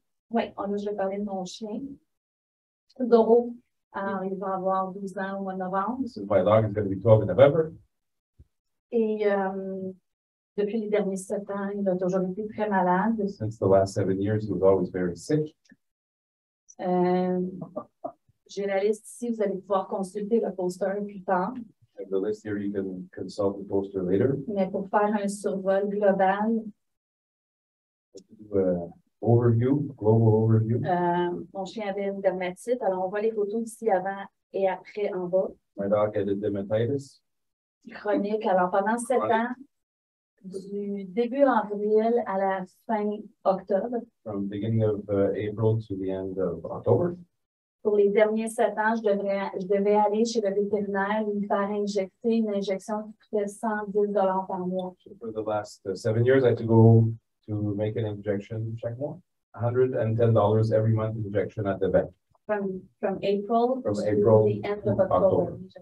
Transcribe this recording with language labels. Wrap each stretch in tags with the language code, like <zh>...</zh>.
<fr>Oui, là, je vais parler de mon chien. Doro, il va avoir 12 ans au mois de novembre.</fr> <en>This is my dog, it's going to be 12 in November.</en> <fr>Et depuis les derniers 7 ans, il a toujours été très malade.</fr> <en>Since the last 7 years, he was always very sick.</en> <fr>J'ai la liste ici, vous allez pouvoir consulter le poster plus tard.</fr> <en>And the list here, you can consult the poster later.</en> <fr>Mais pour faire un survol global.</fr> <en>Overview, global overview.</en> <fr>Mon chien avait une dermatite. Alors, on voit les photos ici avant et après en bas.</fr> <en>My dog had a dermatitis.</en> <fr>Chronique. Alors, pendant 7 ans, du début avril à la fin octobre.</fr> <en>From beginning of April to the end of October.</en> <fr>pour les derniers 7 ans, je devais aller chez le vétérinaire lui faire injecter une injection qui coûtait 110 $ par mois.</fr> <en>For the last 7 years, I had to go to make an injection</en> <fr>chaque mois.</fr> <en>$110 every month injection at the vet. From April to the end of October.</en>